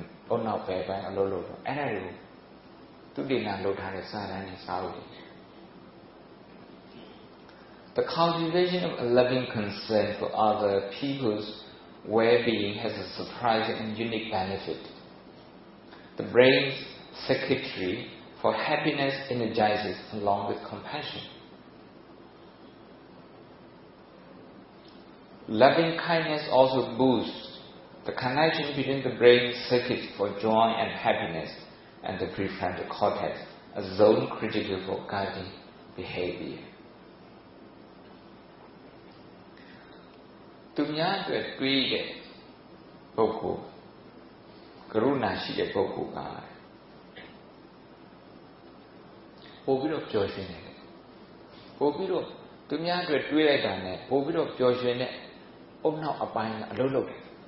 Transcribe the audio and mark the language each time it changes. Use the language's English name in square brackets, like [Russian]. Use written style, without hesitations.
[Burmese] အုံနောက်ဘယ်ပိုင်းအလုပ်လုပ်တော့အဲ့ဒါတွေကိုသူတင်လာလောက်ထားတဲ့စာတန်းနဲ့စာလို့ [English] The cultivation of a loving concern for other people's well-being has a surprising and unique benefit. The brain's circuitry for happiness energizes along with compassion. Loving kindness also boosts the connection between the brain's circuit for joy and happiness and the prefrontal cortex, a zone critical for guiding behavior. [Burmese] သူများအတွက်တွေးတဲ့ပုဂ္ဂိုလ်ကရုဏာရှိတဲ့ပုဂ္ဂိုလ်ကပို့ပြီးတော့ပျော်ရွှင်တယ်ပို့ပြီးတော့သူများအတွက်တွေးလိုက်တာနဲ့ပို့ပြီးတော့ပျော်ရွှင်တဲ့အုံနောက်အပိုင်းကအလုံးလုံးတယ်